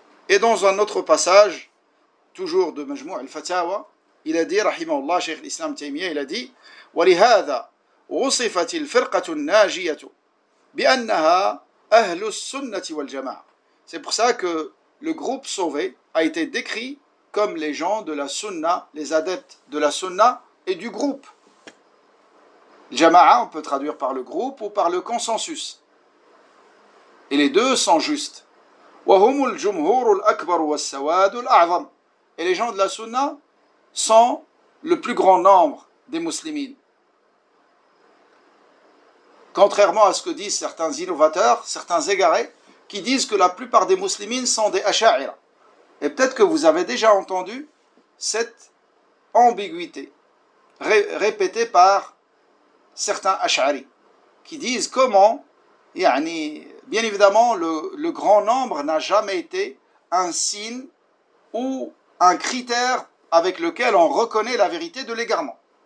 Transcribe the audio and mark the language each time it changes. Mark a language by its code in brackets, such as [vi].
[fr] Et dans un autre passage, toujours de Majmou' al-Fatawa, il a dit, rahimahullah, Cheikh l'islam Taymiyyah, il a dit, « Walihada » [ar] وصفت الفرقة الناجية بأنها أهل السنة والجماعة. [fr] C'est pour ça que le groupe sauvé a été décrit comme les gens de la sunna, les adeptes de la sunna et du groupe. Jama'a, on peut traduire par le groupe ou par le consensus. Et les deux sont justes. [ar] وهم الجمهور الأكبر والسواد الأعظم. [fr] Et les gens de la sunna sont le plus grand nombre des musulmans. Contrairement à ce que disent certains innovateurs, certains égarés, qui disent que la plupart des musulmans sont des asha'ira. Et peut-être que vous avez déjà entendu cette ambiguïté répétée par certains asha'ari, qui disent comment, yani, bien évidemment, le grand nombre n'a jamais été un signe ou un critère avec lequel on reconnaît la vérité de l'égarement.